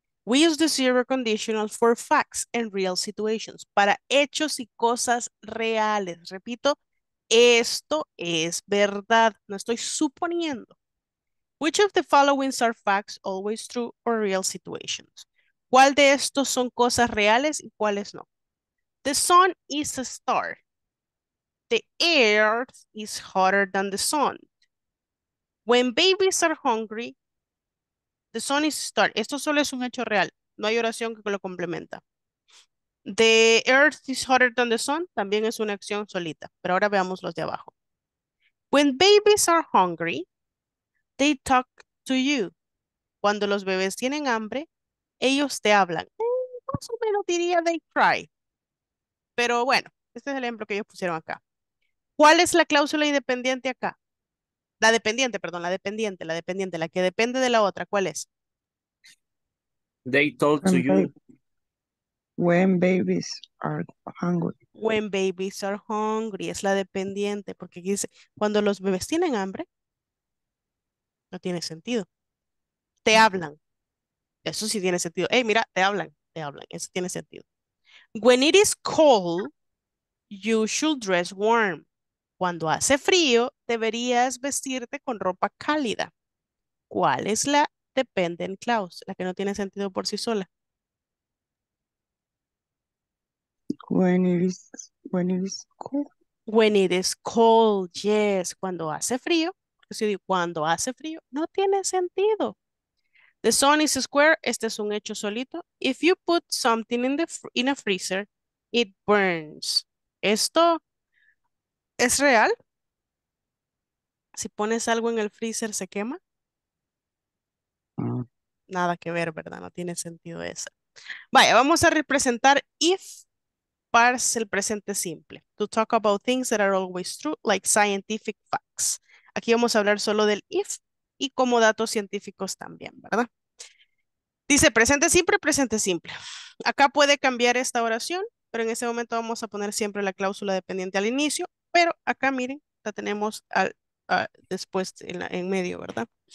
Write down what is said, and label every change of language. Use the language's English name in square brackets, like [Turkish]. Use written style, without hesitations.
[English] We use the zero conditional for facts and real situations. [Spanish] Para hechos y cosas reales. Repito, esto es verdad, no estoy suponiendo. [English] Which of the followings are facts, always true, or real situations? [Spanish] ¿Cuál de estos son cosas reales y cuáles no? [English] The sun is a star. The earth is hotter than the sun. When babies are hungry, the sun is a star. [Spanish] Esto solo es un hecho real, no hay oración que lo complementa. [English] The earth is hotter than the sun. [Spanish] También es una acción solita. Pero ahora veamos los de abajo. [English] When babies are hungry, they talk to you. [Spanish] Cuando los bebés tienen hambre, ellos te hablan. Más o menos diría [English] they cry. [Spanish] Pero bueno, este es el ejemplo que ellos pusieron acá. ¿Cuál es la cláusula independiente acá? La dependiente, perdón, la dependiente, la que depende de la otra. ¿Cuál es? [English] They talk to you. When babies are hungry. When babies are hungry. [Spanish] Es la dependiente. Porque dice, cuando los bebés tienen hambre, no tiene sentido. Te hablan. Eso sí tiene sentido. Hey, mira, te hablan. Eso tiene sentido. [English] When it is cold, you should dress warm. [Spanish] Cuando hace frío, deberías vestirte con ropa cálida. ¿Cuál es la dependent clause? La que no tiene sentido por sí sola. [English] When it is cold, [Spanish] yes, cuando hace frío, no tiene sentido. [English] The sun is square, [Spanish] este es un hecho solito. [English] If you put something in a freezer, it burns. [Spanish] ¿Esto es real? Si pones algo en el freezer, ¿se quema? Nada que ver, ¿verdad? No tiene sentido eso. Vaya, vamos a representar if parse el presente simple. [English] To talk about things that are always true, like scientific facts. [Spanish] Aquí vamos a hablar solo del if y como datos científicos también, ¿verdad? Dice presente simple, presente simple. Acá puede cambiar esta oración, pero en ese momento vamos a poner siempre la cláusula dependiente al inicio, pero acá, miren, la tenemos después en medio, ¿verdad?